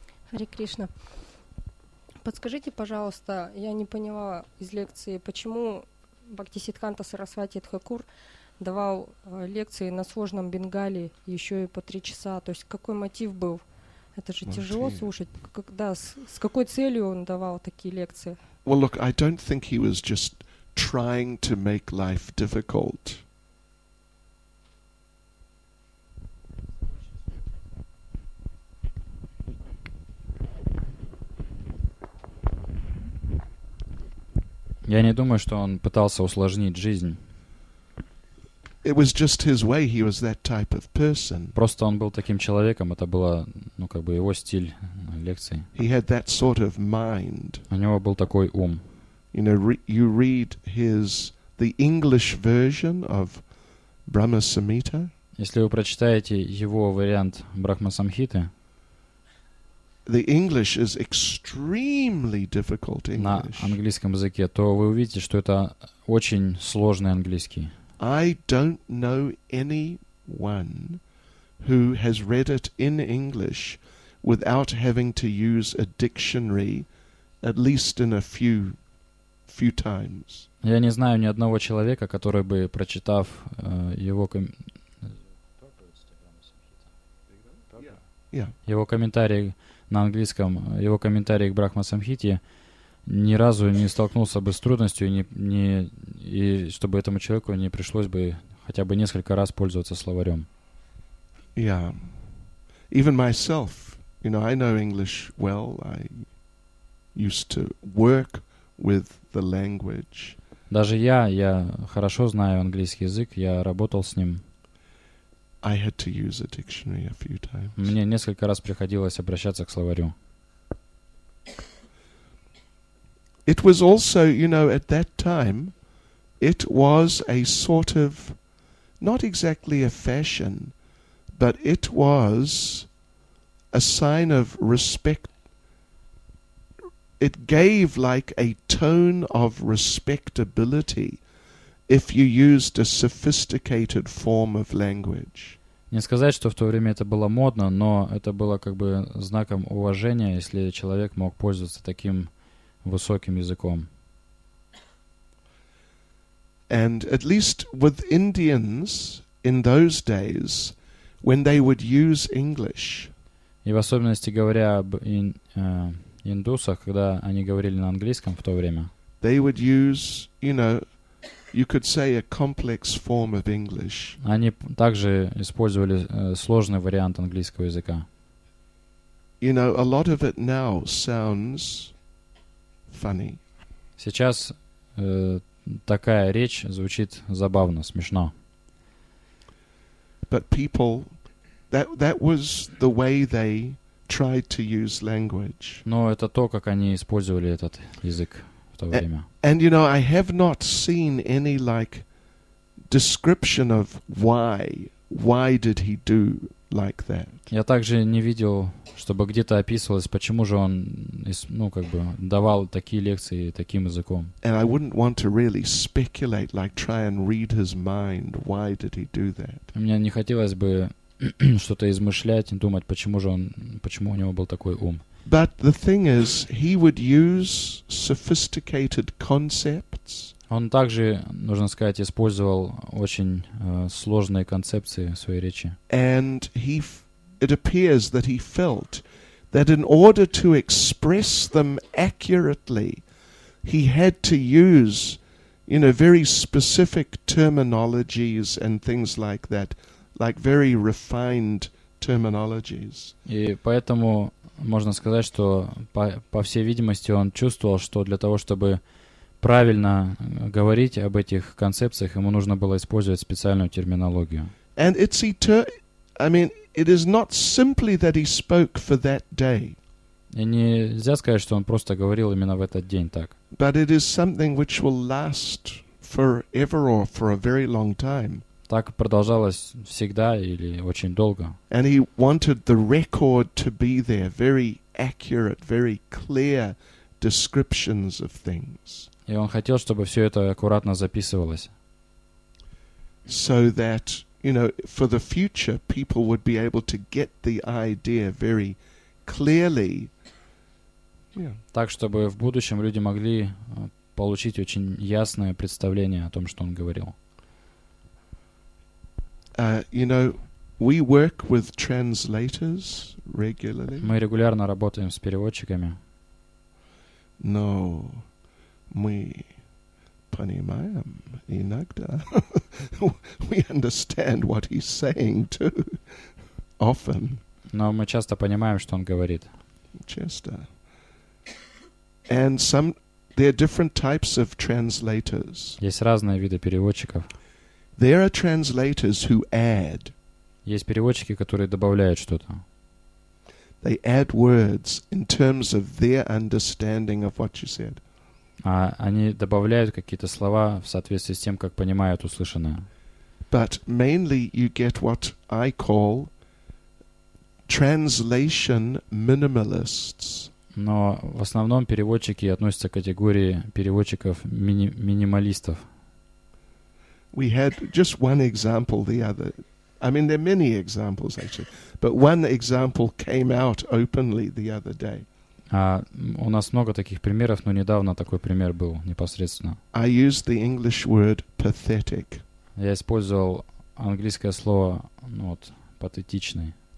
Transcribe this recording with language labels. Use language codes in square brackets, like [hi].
[ru] Хари Кришна, подскажите, пожалуйста, я не поняла из лекции, почему Бхактисиддханта Сарасвати Тхакур давал лекции на сложном Бенгали еще и по 3 часа. То есть какой мотив был? Это же тяжело слушать. Когда, с какой целью он давал такие лекции? [en] Well, look, I don't think he was just trying to make life difficult. [ru] Я не думаю, что он пытался усложнить жизнь. [en] It was just his way. He was that type of person. [ru] Просто он был таким человеком, это было, ну, как бы его стиль лекции. [en] He had that sort of mind. [ru] У него был такой ум. [en] You know, you read his the English version of Brahma Samhita. [ru] Если вы прочитаете его вариант Брахма Самхиты, [en] the English is extremely difficult English. [ru] На английском языке, то вы увидите, что это очень сложный английский. [en] I don't know anyone who has read it in English without having to use a dictionary at least in a few times. [ru] Я не знаю ни одного человека, который бы, прочитав его его комментарии на английском, его комментарии к Брахма Самхите, ни разу не столкнулся бы с трудностью, и чтобы этому человеку не пришлось бы хотя бы несколько раз пользоваться словарем. [en] Yeah. Even myself, you know, I know English well. I used to work with the language. [ru] Даже я хорошо знаю английский язык, я работал с ним. [en] I had to use a dictionary a few times. [ru] Мне несколько раз приходилось обращаться к словарю. [en] It was also, you know, at that time, it was a sort of, not exactly a fashion, but it was a sign of respect. It gave like a tone of respectability if you used a sophisticated form of language. [ru] Не сказать, что в то время это было модно, но это было как бы знаком уважения, если человек мог пользоваться таким высоким языком. [en] And at least with Indians in those days, when they would use English. [ru] И в особенности говоря об индусах, когда они говорили на английском в то время. [en] They would use, you know, you could say a complex form of English. [ru] Они также использовали сложный вариант английского языка. [en] You know, a lot of it now sounds funny. [ru] Сейчас такая речь звучит забавно, смешно. [en] But people, that was the way they tried to use language. [ru] Но это то, как они использовали этот язык. [en] And you know, I have not seen any like description of why did he do like that. [ru] Я также не видел, чтобы где-то описывалось, почему же он, ну, как бы давал такие лекции таким языком. [en] And I wouldn't want to really speculate, like try and read his mind. Why did he do that? [ru] Мне не хотелось бы что-то измышлять, думать, почему у него был такой ум. [en] But the thing is, he would use sophisticated concepts. [ru] Он также, нужно сказать, использовал очень сложные концепции в своей речи. [en] And it appears that he felt that in order to express them accurately, he had to use, you know, very specific terminologies and things like that, like very refined terminologies. [ru] И поэтому можно сказать, что по всей видимости он чувствовал, что для того, чтобы правильно говорить об этих концепциях, ему нужно было использовать специальную терминологию. [en] And it's it is not simply that he spoke for that day. [ru] И нельзя сказать, что он просто говорил именно в этот день так. [en] But it is something which will last forever or for a very long time. [ru] Так продолжалось всегда или очень долго. [en] And he wanted the record to be there, very accurate, very clear descriptions of things. [ru] И он хотел, чтобы все это аккуратно записывалось. [en] So that, you know, for the future, people would be able to get the idea very clearly. Yeah. [ru] Так, чтобы в будущем люди могли получить очень ясное представление о том, что он говорил. [en] You know, we work with translators regularly. [ru] Мы регулярно работаем с переводчиками. Но мы понимаем иногда. [en] We understand what he's saying too. Often. [ru] Но мы часто понимаем, что он говорит. Часто. [en] And some, there are different types of translators. [ru] Есть разные виды переводчиков. [en] There are translators who add. [ru] Есть переводчики, которые добавляют что-то. [en] They add words in terms of their understanding of what you said. [ru] А они добавляют какие-то слова в соответствии с тем, как понимают услышанное. [en] But mainly you get what I call translation minimalists. [ru] Но в основном переводчики относятся к категории переводчиков минималистов. [en] We had just one example the other. I mean, there are many examples actually, but one example came out openly the other day. [ru] У нас много таких примеров, но недавно такой пример был непосредственно. [en] I used the English word pathetic. [ru] Я использовал английское слово, ну вот, патетичный.